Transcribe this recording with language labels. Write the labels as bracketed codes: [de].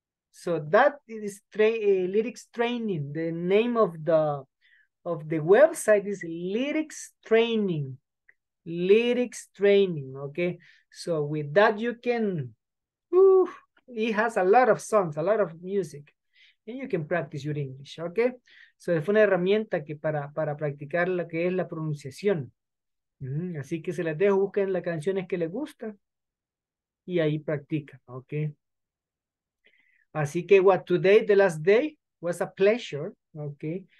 [en] So that is lyrics training. The name of the website is Lyrics Training. Lyrics Training, okay? So with that you can, it has a lot of songs, a lot of music, and you can practice your English, okay? [es] So es una herramienta que para practicar lo que es la pronunciación. Así que se les dejo, busquen las canciones que les gusta y ahí practican, okay? Así que [en] today, the last day, was a pleasure, okay?